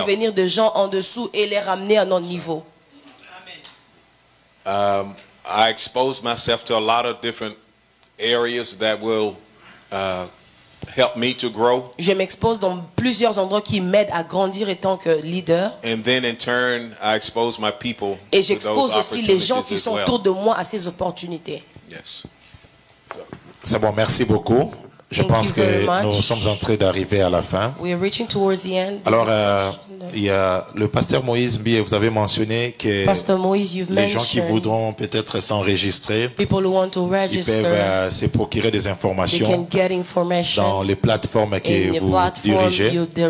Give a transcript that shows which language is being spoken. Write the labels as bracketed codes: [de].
[fr] Souvenir de gens en dessous et les ramener à notre niveau. [en] I expose myself to a lot of different areas that will help me to grow. [fr] Je m'expose dans plusieurs endroits qui m'aident à grandir en tant que leader. [en] And then in turn, I expose my people. [fr] Et j'expose aussi les gens qui sont autour de moi à ces opportunités. [en] Yes. [fr] C'est bon, merci beaucoup. Je pense que nous sommes en train d'arriver à la fin. Alors, le pasteur Moïse, vous avez mentionné que les gens qui voudront peut-être s'enregistrer, ils peuvent se procurer des informations dans les plateformes que vous dirigez.